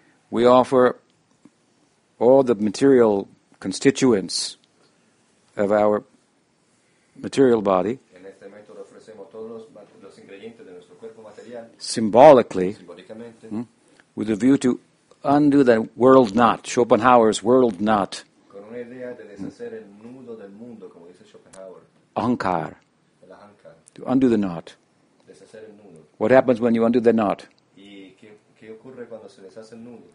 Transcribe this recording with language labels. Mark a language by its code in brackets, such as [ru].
[en] We offer all the material constituents of our material body. [es] En este momento le ofrecemos todos los ingredientes de nuestro cuerpo material. [en] Symbolically. [es] Simbólicamente. [en] With a view to undo the world knot, Schopenhauer's world knot. [es] Con una idea de deshacer el nudo del mundo, como dice Schopenhauer. [sa] Ahankar. [es] El ahankar. [en] To undo the knot. [es] Deshacer el nudo. [en] What happens when you undo the knot? [es] Y qué ocurre cuando se deshace el nudo?